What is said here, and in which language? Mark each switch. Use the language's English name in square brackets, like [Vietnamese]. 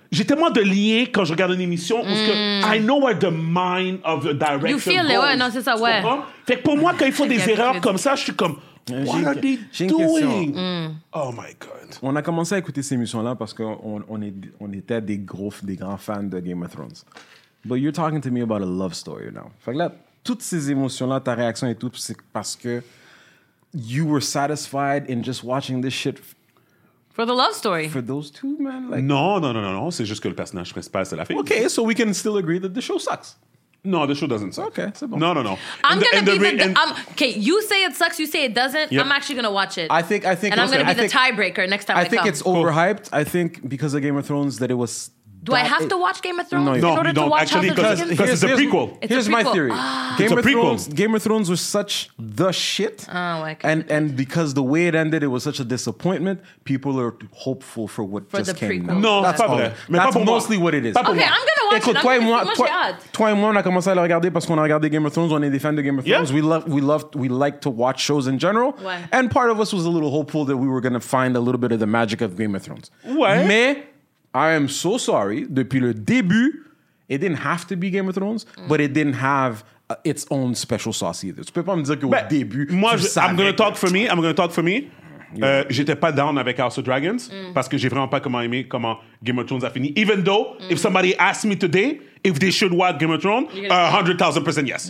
[French] J'ai tellement de liens quand je regarde une émission où que [English] I know where the mind of the director goes. You feel goes. [French] It, ouais, non, c'est ça, ouais. Fait que pour moi, quand ils font des erreurs comme ça, je suis comme, [English] what are they doing? Oh my God. [French] On a commencé à écouter ces émissions-là parce qu'on était des grands fans de Game of Thrones. [English] But you're talking to me about a love story now. [French] Fait que là, toutes ces émotions-là, ta réaction et tout, c'est parce que [English] you were satisfied in just watching this shit. For the love story. For those two, man. [French] Non. C'est juste que le personnage principal, c'est la fille. [English] Okay, so we can still agree that the show sucks. No, the show doesn't suck. [French] Okay, c'est bon. [English] No. Okay, you say it sucks, you say it doesn't. Yep. I'm actually going to watch it. I think it's overhyped. I think because of Game of Thrones that it was... Do I have to watch Game of Thrones in order to watch actually, House of Dragons? Because it's a prequel. Here's my theory. Game of Thrones was such the shit. Oh, okay. And because the way it ended, it was such a disappointment. People are hopeful for what for just the came. Prequel. No, that's okay. That's mostly what it is. Okay, I'm going to watch it. I'm going to watch [French] it. Toi et moi, on a commencé à le regarder parce qu'on a regardé Game of Thrones. On est des fans de Game of Thrones. [English] We like to watch shows in general. And part of us was a little hopeful that we were going to find a little bit of the magic of Game of Thrones. [French] Mais... [English] I am so sorry. [French] Depuis le début, [English] it didn't have to be Game of Thrones, but it didn't have its own special sauce either. [French] Tu peux pas me dire qu'au début, moi, tu savais. [English] I'm going to talk for me. [French] J'étais pas down avec House of Dragons parce que j'ai vraiment pas aimé comment Game of Thrones a fini. [English] Even though, if somebody asked me today if they should watch Game of Thrones, 100,000% yes.